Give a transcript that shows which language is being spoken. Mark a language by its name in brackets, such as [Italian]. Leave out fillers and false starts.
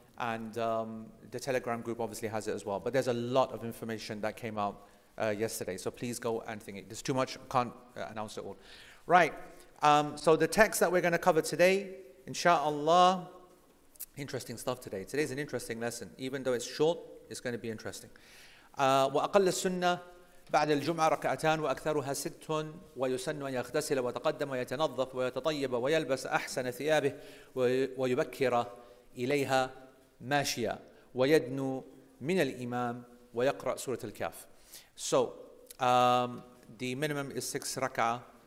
[English] And the Telegram group obviously has it as well. But there's a lot of information that came out yesterday. So please go and think it. There's too much. Can't announce it all. Right. So the text that we're going to cover today, inshallah, interesting stuff today. Today's an interesting lesson. Even though it's short, it's going to be interesting. [Arabic] وأقل السنة بعد الجمعة ركعتان وأكثرها ست ويسن أن يغتسل وتقدم ويتنظف ويتطيب ويلبس أحسن ثيابه ويبكر إليها ماشيا ويدنو من الإمام ويقرأ سورة الكاف. [English] So the minimum is 6 ركعة.